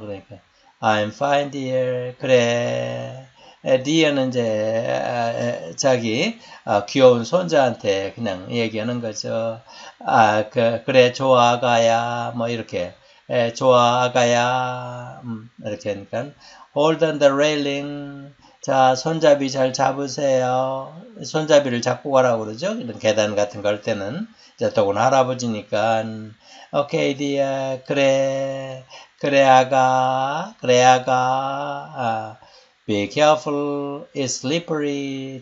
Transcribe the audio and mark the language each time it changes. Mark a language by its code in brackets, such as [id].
[ko] 그러니까 [en] I'm fine, dear. [ko] 그래. Dear는 이제 자기 귀여운 손자한테 그냥 얘기하는 거죠. 아, 그래 좋아 아가야 뭐 이렇게 좋아 아가야 이렇게 하니까 [en] Hold on the railing. [ko] 자, 손잡이 잘 잡으세요. 손잡이를 잡고 가라고 그러죠. 이런 계단 같은 걸 때는 이제 더구나 할아버지니까 [en] Okay, dear. [ko] 그래. 그래 아가. 그래 아가. 아. [en] Be careful, it's slippery.